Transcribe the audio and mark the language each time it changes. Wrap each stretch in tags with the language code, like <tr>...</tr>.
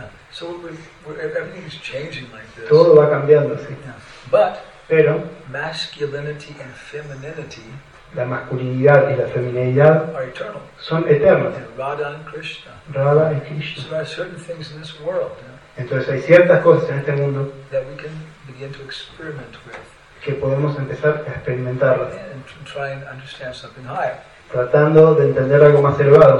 <en>Yeah. So everything is changing like this.</en> <es>Todo va cambiando así. Pero</es> <en>masculinity and femininity,</en> <es>la masculinidad y la feminidad,</es> <en>are eternal.</en> <es>Son eternas.</es> <en>Radha and Krishna.</en> <es>Radha y Krishna.</es> <en>So there are certain things in this world. Yeah?</en> <es>Entonces hay ciertas cosas en este mundo</es> <en>that we can begin to experiment with.</en> <es>Que podemos empezar a experimentarlas.</es> <en>And try and understand something higher.</en> <es>Tratando de entender algo más elevado.</es>